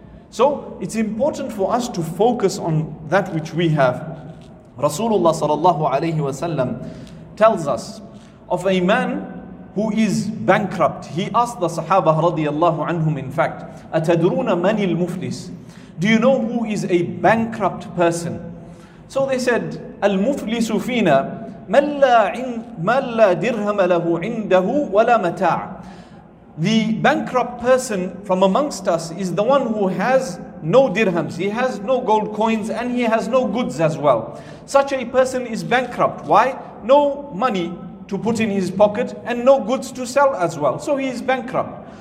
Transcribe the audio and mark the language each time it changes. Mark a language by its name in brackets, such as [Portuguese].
[English] So it's important for us to focus on that which we have. Rasulullah sallallahu alayhi wa sallam tells us of a man who is bankrupt. He asked the Sahaba radiallahu anhum, in fact, [Arabic] أَتَدْرُونَ مَنِ الْمُفْلِسِ. [English] Do you know who is a bankrupt person? So they said, [Arabic] الْمُفْلِسُ فِينَا مَنْ لَا دِرْهَمَ لَهُ عِنْدَهُ وَلَا مَتَاعَ. [English] The bankrupt person from amongst us is the one who has no dirhams, he has no gold coins, and he has no goods as well. Such a person is bankrupt. Why? No money to put in his pocket and no goods to sell as well. So he is bankrupt.